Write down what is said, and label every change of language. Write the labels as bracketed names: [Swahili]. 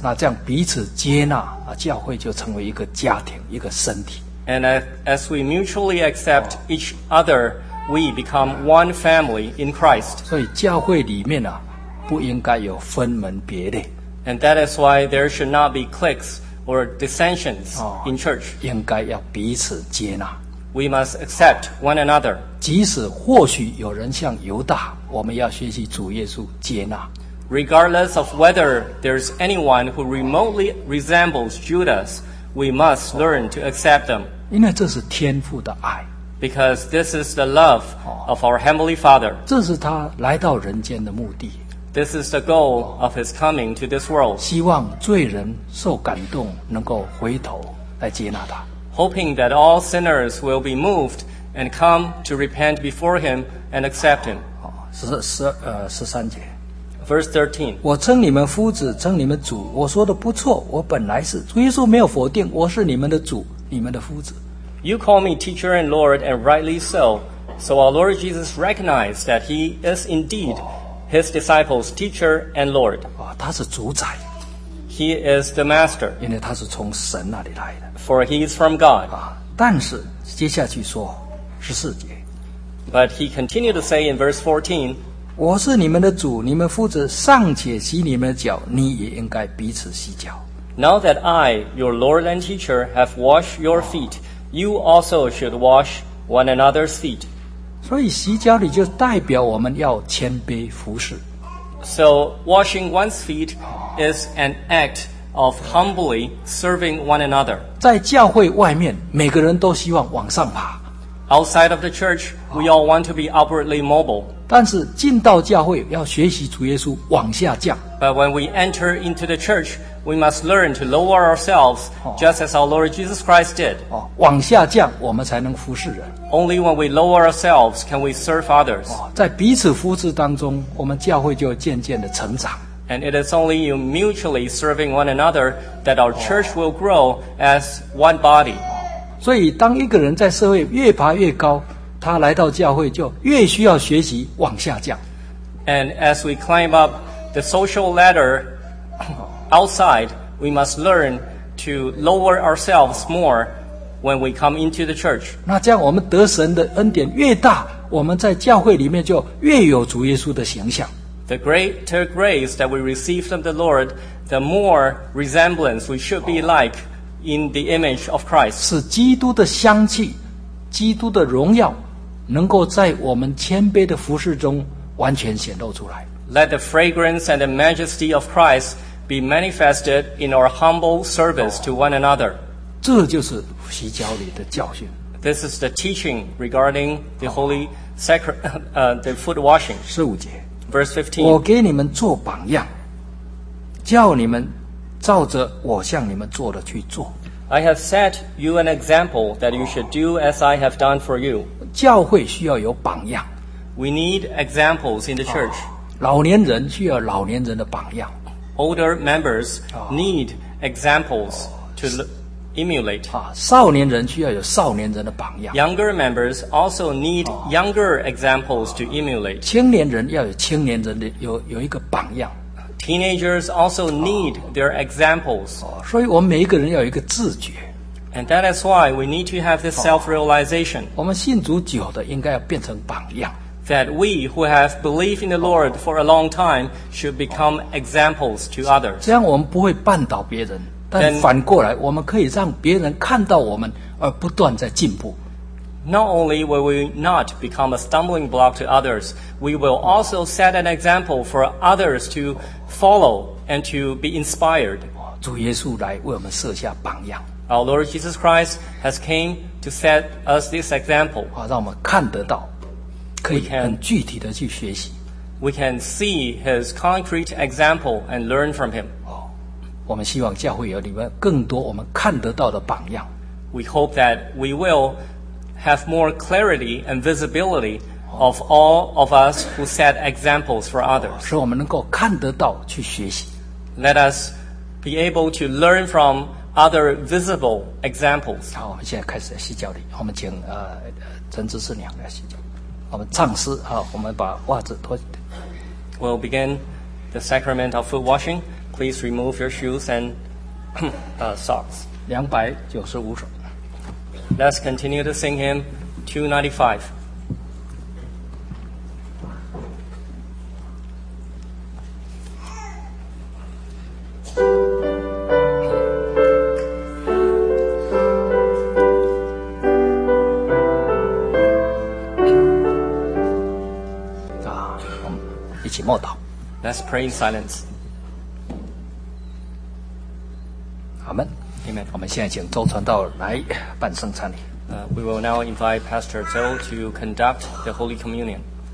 [Chinese] 那这样彼此接纳，教会就成为一个家庭，一个身体。 [English] And as we mutually accept each other, we become one family in Christ. [Chinese] 所以教会里面不应该有分门别类。 [English] And that is why there should not be cliques or dissensions in church. [Chinese] 应该要彼此接纳。 [English] We must accept one another. [Chinese] 即使或许有人像犹大，我们要学习主耶稣接纳。 [English] Regardless of whether there's anyone who remotely resembles Judas, we must learn to accept them. [Chinese] 因为这是天父的爱。 [English] Because this is the love of our Heavenly Father. [Chinese] 这是他来到人间的目的。 [English] This is the goal of his coming to this world. [Chinese] 希望罪人受感动，能够回头来接纳他。 [English] Hoping that all sinners will be moved and come to repent before him and accept him. [Chinese] 十三节。 [English] Verse 13. [Chinese] 我称你们夫子，称你们主，我说的不错，我本来是，主耶稣没有否定，我是你们的主，你们的夫子。 [English] You call me teacher and Lord, and rightly so. So our Lord Jesus recognized that he is indeed his disciples, teacher and Lord. [Chinese] 他是主宰。 [English] He is the master. [Chinese] 因为他是从神那里来的。 [English] For he is from God. [Chinese] 但是接下去说十四节。 [English] But he continued to say in verse 14, [Chinese] 我是你们的主，你们夫子尚且洗你们的脚，你也应该彼此洗脚。 [English] Now that I, your Lord and teacher, have washed your feet, you also should wash one another's feet. [Chinese] 所以洗脚里就代表我们要谦卑服侍。 [English] So washing one's feet is an act of humbly serving one another. [Chinese] 在教会外面，每个人都希望往上爬。 [English] Outside of the church, we all want to be upwardly mobile. [Chinese] 但是进到教会，要学习主耶稣往下降。 [English] But when we enter into the church, we must learn to lower ourselves, just as our Lord Jesus Christ did. [Chinese] 往下降，我们才能服侍人。 [English] Only when we lower ourselves can we serve others. [Chinese] 在彼此服侍当中，我们教会就渐渐的成长。 [English] And it is only in mutually serving one another that our church will grow as one body. [Chinese] 所以当一个人在社会越爬越高，他来到教会就越需要学习往下降。 [English] And as we climb up the social ladder outside, we must learn to lower ourselves more when we come into the church. [Chinese] 那这样我们得神的恩典越大，我们在教会里面就越有主耶稣的形象。 [English] The greater grace that we receive from the Lord, the more resemblance we should be like in the image of Christ. [Chinese] 使基督的香气，基督的荣耀，能够在我们谦卑的服侍中完全显露出来。 [English] Let the fragrance and the majesty of Christ be manifested in our humble service to one another. [Chinese] 这就是洗脚里的教训。 [English] This is the teaching regarding the holy the foot washing. [Chinese] 十五节。 [English] Verse 15, [Chinese] 我给你们做榜样，叫你们照着我向你们做的去做。 [English] I have set you an example that you should do as I have done for you. [Chinese] 教会需要有榜样。 [English] We need examples in the church. [Chinese] 老年人需要老年人的榜样。 [English] Older members need examples to emulate. [Chinese] 少年人需要有少年人的榜样。 [English] Younger members also need younger examples to emulate. [Chinese] 青年人要有青年人的有一个榜样。 [English] Teenagers also need their examples. [Chinese] 所以我们每一个人要有一个自觉。 [English] And that is why we need to have this self-realization. [Chinese] 我们信主久的应该要变成榜样。 [English] That we who have believed in the Lord for a long time should become examples to others. [Chinese] 这样我们不会绊倒别人。但反过来，我们可以让别人看到我们，而不断在进步。 [English] Not only will we not become a stumbling block to others, we will also set an example for others to follow and to be inspired. [Chinese] 主耶稣来为我们设下榜样。 [English] Our Lord Jesus Christ has came to set us this example. [Chinese] 让我们看得到，可以很具体的去学习。 [English] We can see his concrete example and learn from him. [Chinese] 我们希望教会有里面更多我们看得到的榜样。 [English] We hope that we will have more clarity and visibility of all of us who set examples for others. [Chinese] 使我们能够看得到去学习。 [English] Let us be able to learn from other visible examples. [Chinese] 好，我们现在开始在洗脚里。我们请陈执事娘来洗脚。我们唱诗啊，我们把袜子脱。 [English] We'll begin the sacrament of foot washing. Please remove your shoes and socks. [Chinese] 295首 [English] Let's continue to sing him 295. [Chinese] Ah, 我们一起默祷。 [English] Let's pray in silence. Amen. Amen. [Chinese] 我们现在请周传道来办圣餐礼。 [English] We will now invite Pastor Zhou to conduct the Holy Communion.